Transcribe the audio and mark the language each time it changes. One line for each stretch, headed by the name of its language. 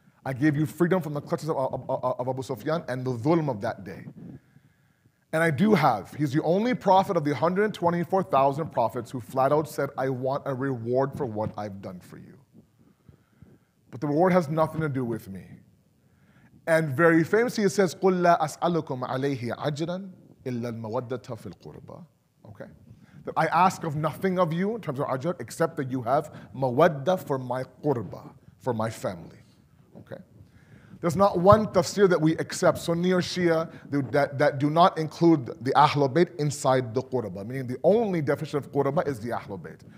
English: I gave you freedom from the clutches of Abu Sufyan and the dhulm of that day. And I do have, he's the only prophet of the 124,000 prophets who flat out said, I want a reward for what I've done for you. But the reward has nothing to do with me. And very famously, it says,
Arabic: قُلْ لَا أَسْأَلُكُمْ عَلَيْهِ عَجْرًا إِلَّا الْمَوَدَّةَ فِي الْقُرْبَى.
English: Okay? That I ask of nothing of you in terms of ajr, except that you have mawadda for my qurba, for my family. Okay? There's not one tafsir that we accept, Sunni or Shia, that do not include the Ahlul Bayt inside the qurba, meaning the only definition of qurba is the Ahlul Bayt.